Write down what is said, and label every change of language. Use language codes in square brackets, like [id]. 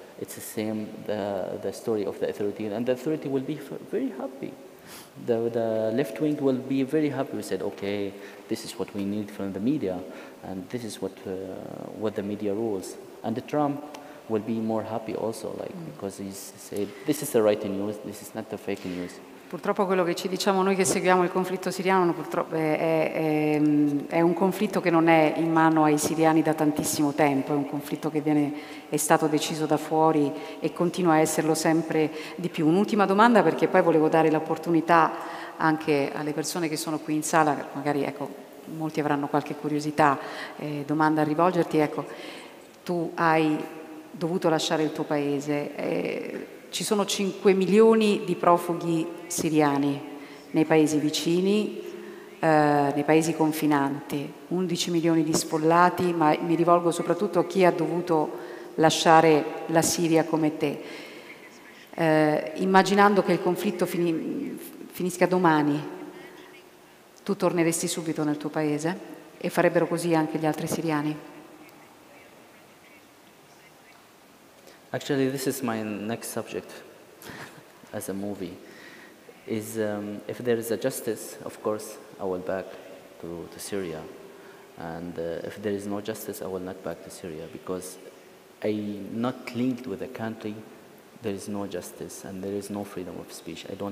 [en] It's the same, the story of the authority, and the authority will be very happy. The left wing will be very happy. We said, okay, this is what we need from the media, and this is what the media rules. And the Trump will be more happy also, like, because he said, this is the right news, this is not the fake news. [it] Purtroppo quello che ci diciamo noi che seguiamo il conflitto siriano è un conflitto che non è in mano ai siriani da tantissimo tempo, è un conflitto che è stato deciso da fuori e continua a esserlo sempre di più. Un'ultima domanda, perché poi volevo dare l'opportunità anche alle persone che sono qui in sala, magari ecco, molti avranno qualche curiosità, domanda a rivolgerti. Ecco, tu hai dovuto lasciare il tuo paese. Ci sono 5 milioni di profughi siriani nei paesi vicini, nei paesi confinanti, 11 milioni di sfollati, ma mi rivolgo soprattutto a chi ha dovuto lasciare la Siria come te. Immaginando che il conflitto finisca domani, tu torneresti subito nel tuo paese e farebbero così anche gli altri siriani? [en] Actually, this is my next subject as a movie. Is if there is a justice, of course, I will back to Syria. And if there is no justice, I will not back to Syria, because I not linked with the country, there is no justice and there is no freedom of speech.